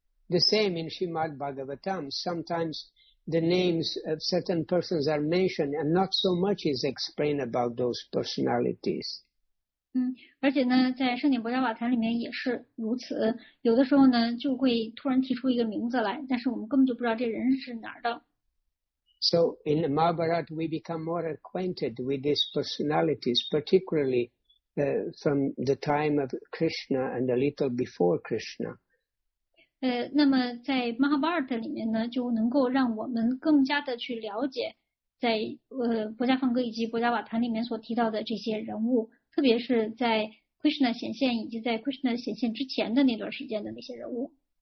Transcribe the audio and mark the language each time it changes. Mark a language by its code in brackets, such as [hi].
[en] The same in Srimad Bhagavatam, sometimes the names of certain persons are mentioned and not so much is explained about those personalities. [zh] 而且呢，在圣典博迦瓦坛里面也是如此，有的时候呢就会突然提出一个名字来，但是我们根本就不知道这人是哪儿的。 [en] So in the Mahabharata we become more acquainted with these personalities, particularly from the time of Krishna and a little before Krishna. [zh] 那么在 Mahabharata 里面呢，就能够让我们更加的去了解在博迦梵歌以及博迦瓦坛里面所提到的这些人物，特别是在 Krishna 显现以及在 Krishna 显现之前的那段时间的那些人物。